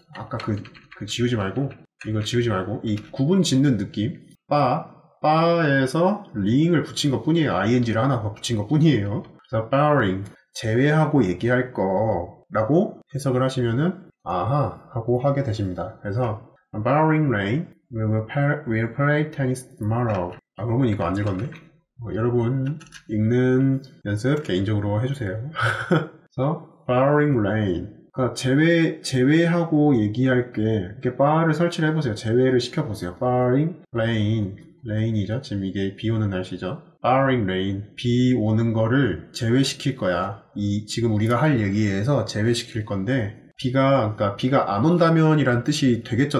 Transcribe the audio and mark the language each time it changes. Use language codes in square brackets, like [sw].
[ko] 아까 그 지우지 말고 이걸 지우지 말고 이 구분 짓는 느낌 바에서 링을 붙인 것 뿐이에요. ing를 하나 더 붙인 것 뿐이에요. 그래서 바링 제외하고 얘기할 거 라고 해석을 하시면은 아하 하고 하게 되십니다. [en] 그래서 barring rain we'll play tennis tomorrow. [ko] 아 그러면 이거 안 읽었네. 여러분 읽는 연습 개인적으로 해주세요. 그래서 [en] barring rain [ko] 그러니까 제외하고 얘기할 게 이렇게 bar를 설치를 해보세요. 제외를 시켜보세요. [en] barring rain rain이죠. [ko] 지금 이게 비 오는 날씨죠. [en] barring rain [ko] 비 오는 거를 제외시킬 거야. 이 지금 우리가 할 얘기에서 제외시킬 건데 비가 안 온다면 이란 뜻이 되겠죠.